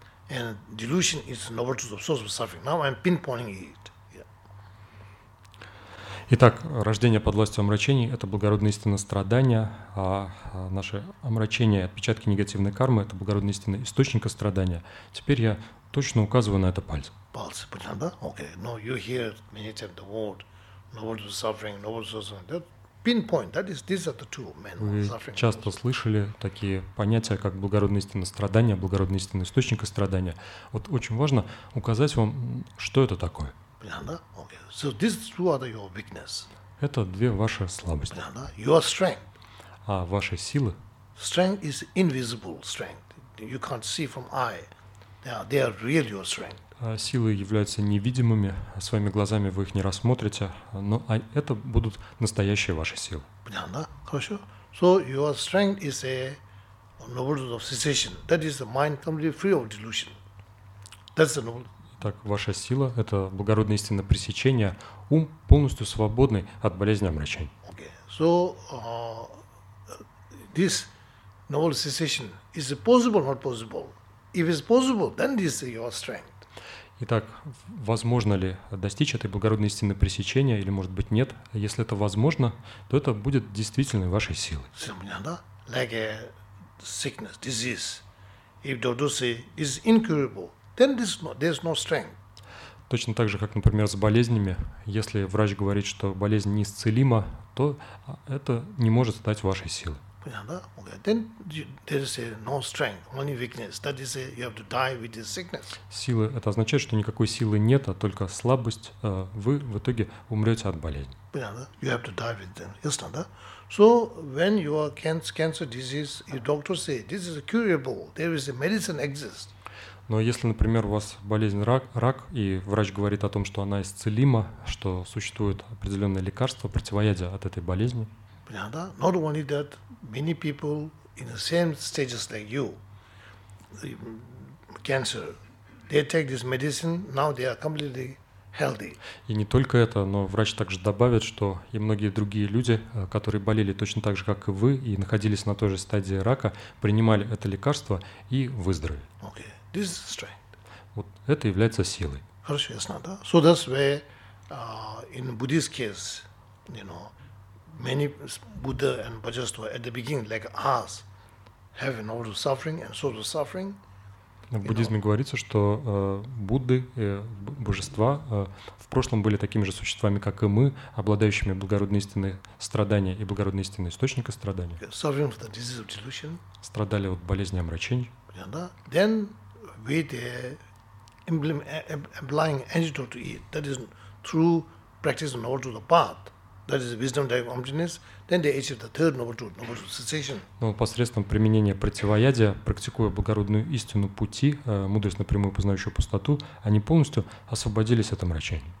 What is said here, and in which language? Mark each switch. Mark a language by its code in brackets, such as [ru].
[en] And delusion is noble to the source of suffering. Now I'm pinpointing it. [ru] Итак, рождение под властью омрачений — это благородная истина страдания, а наше омрачение и отпечатки негативной кармы — это благородная истина источника страдания. Теперь я точно указываю на это пальцем. Пальцы, понятно, да? [en] Okay. No, you hear many times the word noble to suffering, noble source of suffering. That pinpoint, that is, these are the two men. [ru] Вы часто слышали такие понятия, как благородная истина страдания, благородная истина источника страдания. Вот очень важно указать вам, что это такое. [en] So these two are your weakness. [ru] Это две ваши слабости. [en] Your strength. [ru] А ваши силы? [en] Strength is invisible strength. You can't see from eye. They are really your strength. [ru] Силы являются невидимыми, своими глазами вы их не рассмотрите, но это будут настоящие ваши силы. Понятно? Хорошо. [en] So your strength is a noble of cessation. That is the mind completely free of delusion. That's the noble. [ru] Так, ваша сила — это благородная истина пресечения, ум полностью свободный от болезни омрачений. [en] Okay. So, this noble cessation, is it possible or not possible? If it's possible, then this is your strength. [ru] Итак, возможно ли достичь этой благородной истины пресечения, или, может быть, нет? Если это возможно, то это будет действительно вашей силой. [en] Like a sickness, disease. If doctor say is incurable, then there's no strength. [ru] Точно так же, как, например, с болезнями. Если врач говорит, что болезнь неисцелима, то это не может стать вашей силой. [en] Okay. Then there is no strength, only weakness. That is, you have to die with this sickness. [ru] Силы — это означает, что никакой силы нет, а только слабость. Вы в итоге умрете от болезни. [en] You have to die with them. Yes, no, so when you are cancer disease, your doctor say this is curable, there is a medicine exists. [ru] Но если, например, у вас болезнь рак, и врач говорит о том, что она исцелима, что существует определенное лекарство, противоядие от этой болезни. Понятно? [en] Not only that, many people in the same stages like you, cancer, they take this medicine, now they are completely healthy. [ru] И не только это, но врач также добавит, что и многие другие люди, которые болели точно так же, как и вы, и находились на той же стадии рака, принимали это лекарство и выздоровели. [en] Okay. This is strength. [ru] Вот это является силой. Хорошо, ясно, да? [en] So that's where in Buddhist case, you know, many Buddha and Bodhisattva at the beginning, like us, have an order of suffering and source of suffering. [ru] В буддизме говорится, что Будды, божества, в прошлом были такими же существами, как и мы, обладающими благородной истиной страдания и благородной истиной источника страдания. [en] Okay. Suffering from the disease of delusion. [ru] Страдали от болезни омрачений. [en] Yeah, да? Then with applying antidote to it, that is through practice of noble truth of path, that is wisdom direct emptiness, then they achieve the third noble truth, noble truth of cessation. [ru] Но посредством применения противоядия, практикуя благородную истину пути, мудрость напрямую познающую пустоту, они полностью освободились от омрачения.